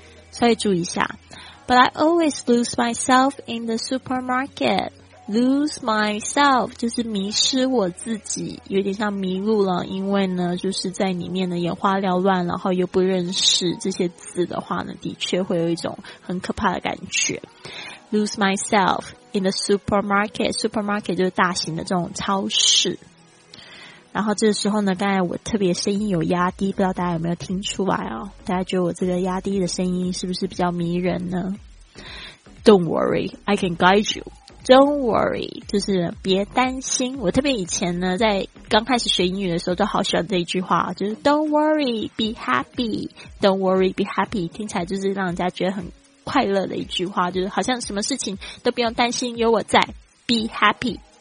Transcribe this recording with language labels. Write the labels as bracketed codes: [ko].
[zh] 稍微注意一下， [en] But I always lose myself in the supermarketLose myself [zh] 就是迷失我自己，有点像迷路了，因为呢就是在里面呢眼花缭乱，然后又不认识这些字的话呢，的确会有一种很可怕的感觉。 [en] Lose myself in the supermarket, [zh] supermarket 就是大型的这种超市。然后这个时候呢，刚才我特别声音有压低，不知道大家有没有听出来哦？大家觉得我这个压低的声音是不是比较迷人呢？ [en] Don't worry, I can guide you Don't worry, [zh] 就是别担心。我特别以前呢，在刚开始学英语的时候，都好喜欢这一句话，就是 [en] Don't worry, be happy. Don't worry, be happy. [zh] 听起来就是让人家觉得很快乐的一句话，就是好像什么事情都不用担心，有我在， [en] be happy.